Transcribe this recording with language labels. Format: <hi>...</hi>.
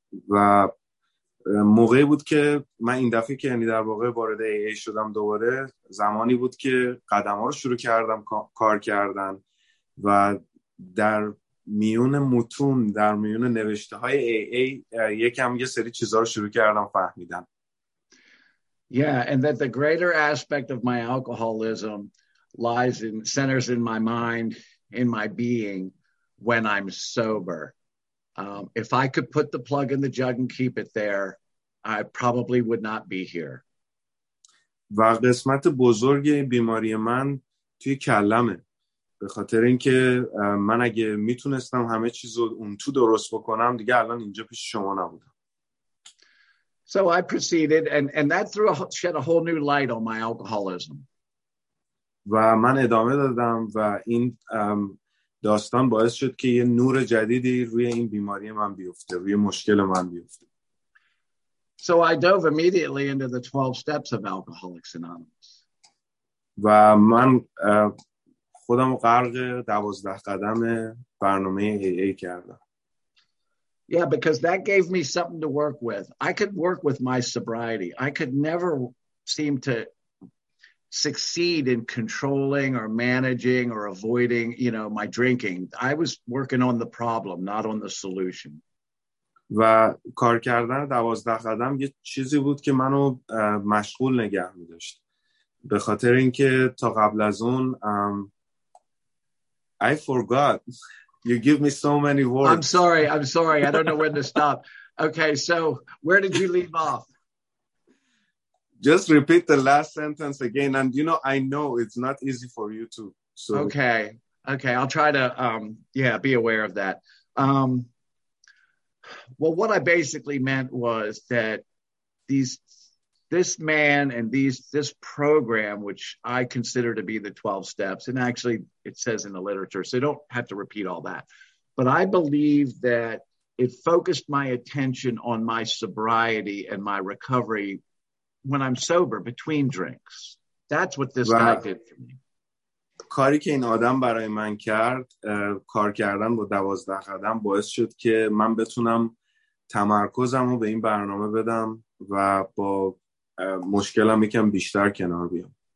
<fa>و موقعی بود که من این دفعه که یعنی در واقع وارد AA شدم دوباره، زمانی بود که قدم ها رو شروع کردم کار کردن و در میون متون، در میون نوشته های AA یکم یه سری چیزا رو شروع کردم فهمیدم.</fa> <en>Yeah, and that the greater aspect of my alcoholism lies in centers in my mind, in my being when I'm sober. If I could put the plug in the jug and keep it there, I probably would not be here.</en> <fa>و قسمت بزرگ بیماری من توی کلمه، به خاطر اینکه من اگه میتونستم همه چیز رو اون تو درست بکنم، دیگه الان اینجا پیش شما نبودم.</fa> <en>So I proceeded, and that shed a whole new light on my alcoholism.</en> <fa>و من ادامه دادم و این داستان باعث شد که یه نور جدیدی روی این بیماری من بیفته، روی مشکل من بیفته.</fa> <en>So I dove immediately into the 12 steps of Alcoholics Anonymous.</en> <fa>و من خودم غرق 12 قدم برنامه AA کردم.</fa> <en>Yeah, because that gave me something to work with. I could work with my sobriety. I could never seem to succeed in controlling or managing or avoiding, you know, my drinking. I was working on the problem, not on the solution.</en> <fa>و کار کردن 12 قدم یه چیزی بود که منو مشغول نگه می‌داشت، به خاطر اینکه تا قبل از اون</fa> <en>I forgot. You give me so many words. I'm sorry. I don't know when to stop. Okay, so where did you leave off? Just repeat the last sentence again. And, you know, I know it's not easy for you to. So. Okay. I'll try to, be aware of that. Well, what I basically meant was that this program, which I consider to be the 12 steps, and actually it says in the literature, so you don't have to repeat all that. But I believe that it focused my attention on my sobriety and my recovery when I'm sober, between drinks. That's what this guy did for me.</en> <fa>کاری که این آدم برای من کرد، کار کردن با 12 قدم باعث شد که من بتونم تمرکزم رو به این برنامه بدم و با مشکلم یکم بیشتر کنار بیام.</fa>